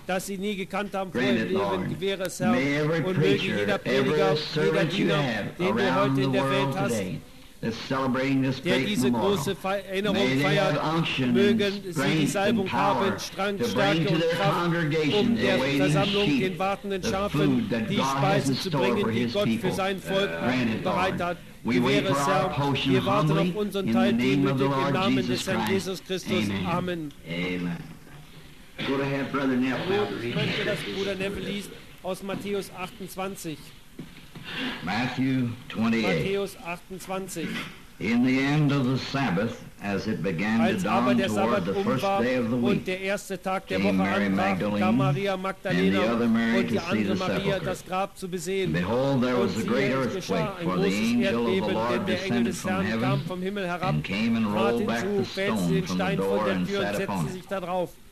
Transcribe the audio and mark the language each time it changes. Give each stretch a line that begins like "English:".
English: Grant it, Lord. May every preacher, every servant you have around the world today, that's celebrating this great memorial, may they have unction and strength and power to bring to their congregation the waiting sheep, the food that God has in store for his people. Grant it, Lord. We wait for our portion humbly in the name of the Lord Jesus Christ. Amen. Amen. Go ahead, Brother Neville.
German: Ich möchte, dass Bruder Neville liest aus Matthäus 28.
English: Matthew 28.
German: Matthäus 28.
English: In the end of the Sabbath, as it began to dawn toward the first day of the week, came Mary Magdalene and the other Mary to see the sepulchre. And behold, there was a great earthquake, for the angel of the Lord descended from heaven and came and rolled back the stone from the door and sat upon it.